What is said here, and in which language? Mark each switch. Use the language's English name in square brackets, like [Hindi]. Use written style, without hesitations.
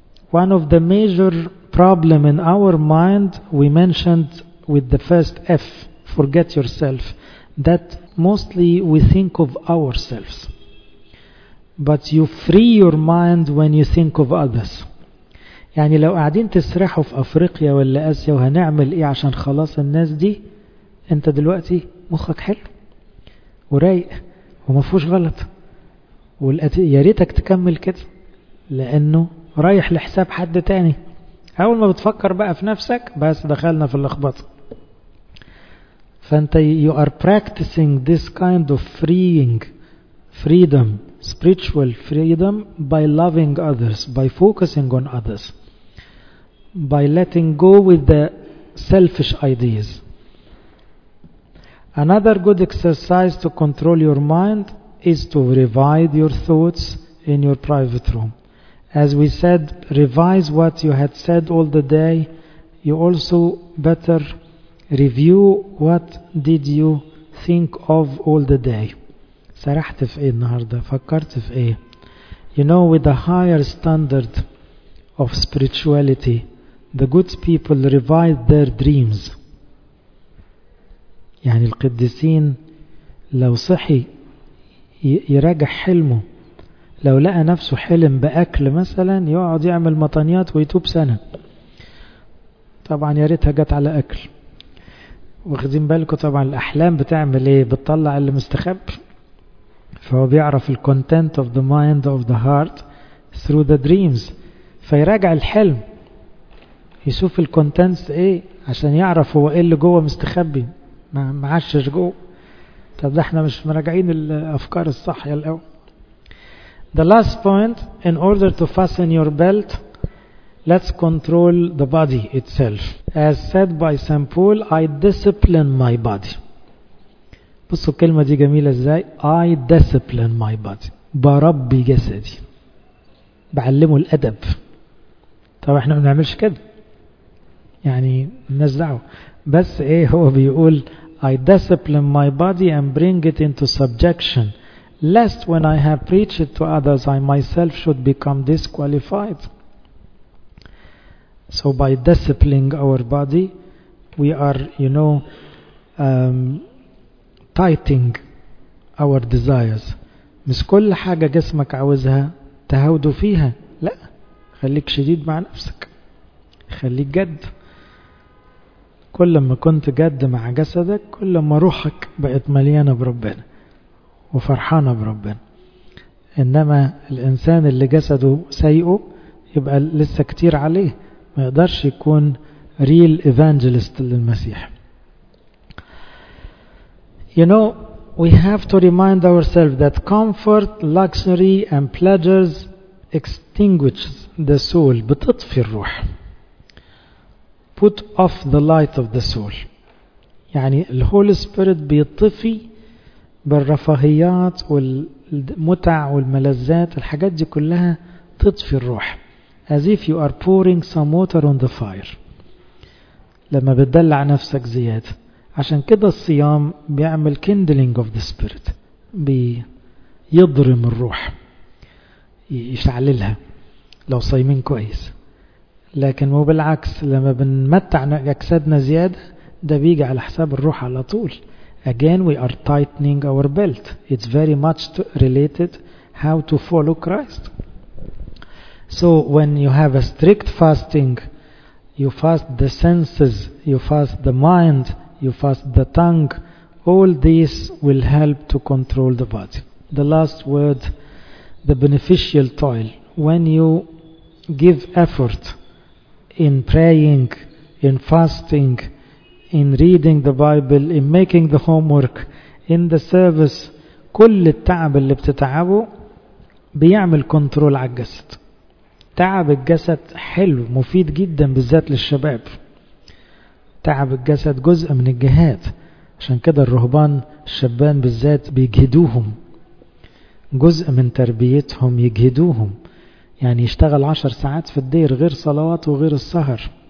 [English] One of the major problems in our mind, we mentioned with the first F, forget yourself, that mostly we think of ourselves. But you free your mind when you think of others. [Arabic] يعني لو قاعدين تسرحوا في أفريقيا ولا آسيا وهنعمل إيه عشان خلاص الناس دي، أنت دلوقتي مخك حلو ورايق ومفهوش غلط، ياريتك تكمل كده لأنه رايح لحساب حد تاني. أول ما بتفكر بقى في نفسك بس دخلنا في اللخبطة. فأنت [English] you are practicing this kind of freeing freedom, spiritual freedom, by loving others, by focusing on others, by letting go with the selfish ideas. Another good exercise to control your mind is to revise your thoughts in your private room. As we said, revise what you had said all the day. You also better review what did you think of all the day. [Arabic] سرحت في ايه النهارده؟ فكرت في ايه؟ [English] You know, with a higher standard of spirituality, the good people revise their dreams. [Arabic] يعني القديسين لو صحي يراجع حلمه، لو لقى نفسه حلم بأكل مثلا يقعد يعمل مطانيات ويتوب سنة. طبعا يا ريتها جت على أكل. واخدين بالكم طبعا الأحلام بتعمل ايه؟ بتطلع اللي مستخب. فهو بيعرف الـ [English] content of the mind of the heart [Arabic] through the dreams، فيراجع الحلم يشوف الـ contents ايه عشان يعرف هو ايه اللي جوه مستخبي معشش جوه. طب احنا مش مراجعين الأفكار الصحية الأول. [English] The last point, in order to fasten your belt, let's control the body itself. As said by St. Paul, I discipline my body. [Arabic] بصوا الكلمة دي جميلة ازاي. [English] I discipline my body. [Arabic] بربي جسدي. بعلمه الأدب. طب احنا ما بنعملش كده. يعني الناس دعوة. بس ايه هو بيقول [English] I discipline my body and bring it into subjection. Lest when I have preached it to others, I myself should become disqualified. So by disciplining our body, we are, you know, tightening our desires. [Arabic] مش كل حاجة جسمك عاوزها تهود فيها. لا، خليك شديد مع نفسك. خليك جد. كل ما كنت جد مع جسدك، كل ما روحك بقت مليانة بربنا. وفرحانة بربنا. إنما الإنسان اللي جسده سيئه يبقى لسه كتير عليه، ما يقدرش يكون [English] real evangelist [Arabic] للمسيح. [English] You know, we have to remind ourselves that comfort, luxury and pleasures extinguish the soul. [Arabic] بتطفي الروح. [English] Put off the light of the soul. [Arabic] يعني the Holy Spirit بيطفي بالرفاهيات والمتع والملذات، الحاجات دي كلها تطفي الروح. [English] As if you are pouring some water on the fire. [Arabic] لما بتدلع نفسك زيادة. عشان كده الصيام بيعمل [English] kindling of the spirit. [Arabic] بيضرم الروح. يشعللها. لو صايمين كويس. لكن مو بالعكس، لما بنمتع أجسادنا زيادة ده بيجي على حساب الروح على طول. [English] Again, we are tightening our belt. It's very much related how to follow Christ. So when you have a strict fasting, you fast the senses, you fast the mind, you fast the tongue, all these will help to control the body. The last word, the beneficial toil. When you give effort in praying, in fasting, in reading the Bible, in making the homework, in the service, [Arabic] كل التعب اللي بتتعبه بيعمل كنترول على الجسد. تعب الجسد حلو، مفيد جدا بالذات للشباب. تعب الجسد جزء من الجهاد، عشان كده الرهبان الشبان بالذات بيجهدوهم، جزء من تربيتهم يجهدوهم. يعني يشتغل 10 ساعات في الدير غير صلوات وغير السهر.